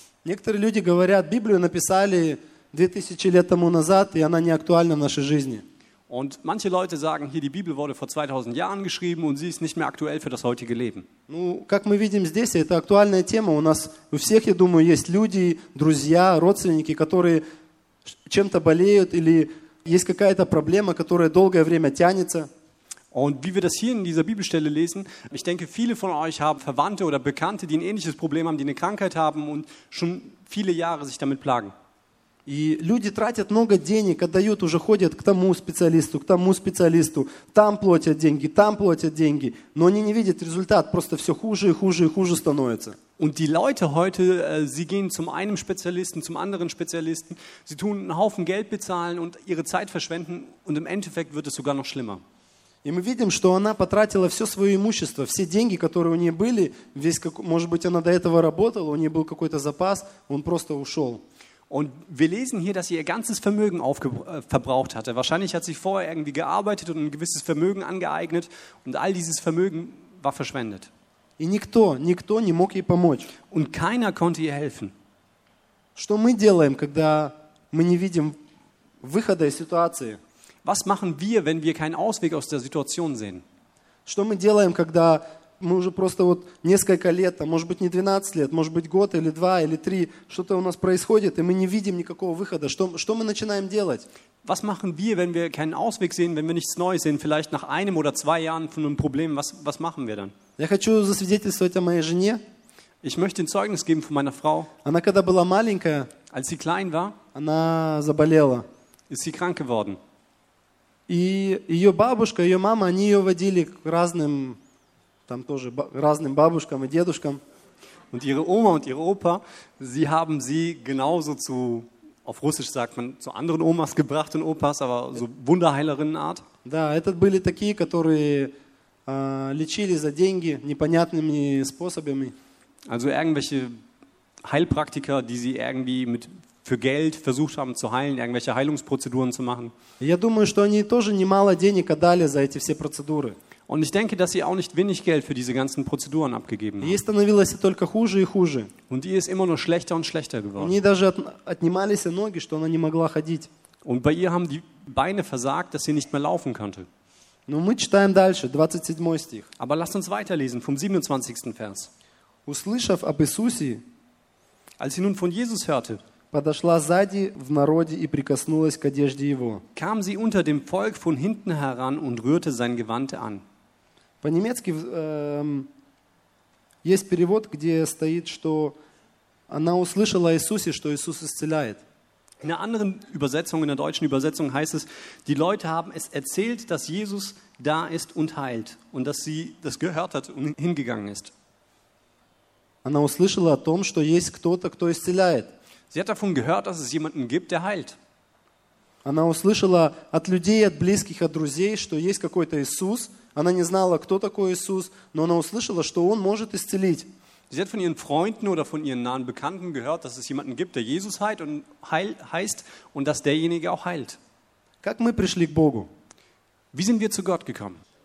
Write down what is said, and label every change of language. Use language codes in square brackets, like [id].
[ru] Некоторые люди говорят: Библию написали 2000 лет тому назад, и она не актуальна в нашей жизни. [de] Und manche Leute sagen hier: die Bibel wurde vor 2000 Jahren geschrieben und sie ist nicht mehr aktuell für das heutige Leben. [ru] Ну, как мы видим здесь, это актуальная тема. У нас у всех, я думаю, есть люди, друзья, родственники, которые чем-то болеют или есть какая-то проблема, которая долгое время тянется. [de] Und wie wir das hier in dieser Bibelstelle lesen, ich denke, viele von euch haben Verwandte oder Bekannte, die ein ähnliches Problem haben, die eine Krankheit haben und schon viele Jahre sich damit plagen. [ru] И люди тратят много денег, отдают, уже ходят к тому специалисту, там платят деньги, но они не видят результат, просто все хуже и хуже и хуже становится. [de] Und die Leute heute, sie gehen zum einen Spezialisten, zum anderen Spezialisten, sie tun einen Haufen Geld bezahlen und ihre Zeit verschwenden und im Endeffekt wird es sogar noch schlimmer. [ru] И мы видим, что она потратила все свое имущество, все деньги, которые у нее были, весь, может быть, она до этого работала, у нее был какой-то запас, он просто ушел. [de] Und wir lesen hier, dass sie ihr ganzes Vermögen verbraucht hatte. Wahrscheinlich hat sie vorher irgendwie gearbeitet und ein gewisses Vermögen angeeignet und all dieses Vermögen war verschwendet. [ru] И никто не мог ей помочь. [de] Und keiner konnte ihr helfen. [ru] Что мы делаем, когда мы не видим выхода из ситуации? [de] Was machen wir, wenn wir keinen Ausweg aus der Situation sehen? [ru] Что мы делаем, когда мы уже просто вот несколько лет, а может быть не 12 лет, может быть год или два или три, что-то у нас происходит, и мы не видим никакого выхода. Что мы начинаем делать? [de] Was machen wir, wenn wir keinen Ausweg sehen, wenn wir nichts Neues sehen, vielleicht nach einem oder zwei Jahren von einem Problem, was machen wir dann? [ru] Я хочу засвидетельствовать о моей жене. [de] Ich möchte ein Zeugnis geben von meiner Frau. [ru] Она когда была маленькая, [de] als sie klein war, [ru] она заболела. [de] Ist sie krank geworden. [ru] И ее бабушка, ее мама, они ее водили к разным, там тоже разным бабушкам и дедушкам. [de] Und ihre Oma und ihre Opa, sie haben sie genauso zu, auf Russisch sagt man, zu anderen Omas gebracht und Opas, aber so Wunderheilerinnenart. [ru] Да, это были такие, которые лечили за деньги непонятными способами. [de] Also irgendwelche Heilpraktiker, die sie irgendwie mit für Geld versucht haben zu heilen, irgendwelche Heilungsprozeduren zu machen. [ru] Я думаю, что они тоже немало денег отдали за эти все процедуры. [de] Und ich denke, dass sie auch nicht wenig Geld für diese ganzen Prozeduren abgegeben haben. [ru] Ей становилось только хуже и хуже. [de] Und ihr ist immer nur schlechter und schlechter geworden. [ru] У неё даже отнимались ноги, что она не могла ходить. [de] Und bei ihr haben die Beine versagt, dass sie nicht mehr laufen konnte. [ru] Но мы читаем дальше, 27 стих. [de] Aber lasst uns weiterlesen vom 27. Vers. [ru] Услышав об Иисусе, [de] als sie nun von Jesus hörte, [ru] подошла сзади в народе и прикоснулась к одежде его. [de] Kam sie unter dem Volk von hinten heran und rührte sein Gewand an. [ru] По-немецки есть перевод, где стоит, что она услышала о Иисусе, что Иисус исцеляет. [de] In der anderen Übersetzung, in der deutschen Übersetzung heißt es, die Leute haben es erzählt, dass Jesus da ist und heilt und dass sie das gehört hat und hingegangen ist. [ru] Она услышала о том, что есть кто-то, кто исцеляет. [de] Sie hat davon gehört, dass es jemanden gibt, der heilt. [ru] Она услышала от людей, от близких, от друзей, что есть какой-то Иисус. Она не знала, кто такой Иисус, но она услышала, что он может исцелить. [de] Sie hat von ihren Freunden oder von ihren nahen Bekannten gehört, dass es jemanden gibt, der Jesus heilt und heißt und dass derjenige auch heilt. [ru] Как мы пришли к Богу? [de] Wie sind wir zu Gott gekommen?